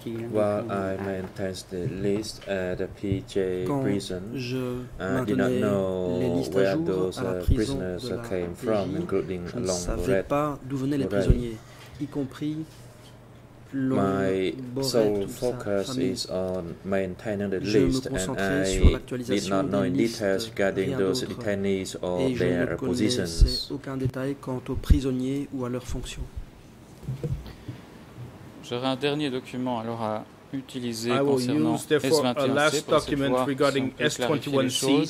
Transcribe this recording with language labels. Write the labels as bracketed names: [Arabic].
[English] While I maintained the list at the PJ prison, I did not know where those prisoners came from, including Long Borette. [French] Je ne savais pas d'où venaient les prisonniers, y compris [English] my sole focus is on maintaining the list, and I did not know in details regarding those detainees or their positions. [French] Je ne connaissais aucun détail quant aux prisonniers ou à leurs fonctions. J'aurai un dernier document alors à utiliser concernant S21C